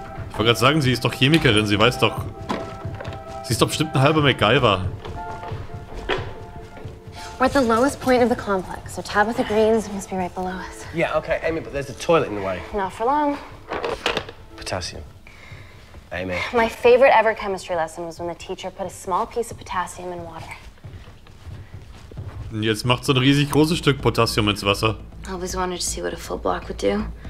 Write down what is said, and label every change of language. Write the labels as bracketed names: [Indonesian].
[German] Ich wollte gerade sagen, sie ist doch Chemikerin, sie weiß doch... Sie ist doch bestimmt ein halber MacGyver. [English] We're at the lowest point of the complex, so Tabitha Green's must be right below us. Yeah, okay, Amy, but there's a toilet in the way. Not for long. Potassium. Amy. My favorite ever chemistry lesson was when the teacher put a small piece of potassium in water. [German] Und jetzt macht so ein riesig großes Stück Potassium ins Wasser. [English] I always wanted to see what a full block would do.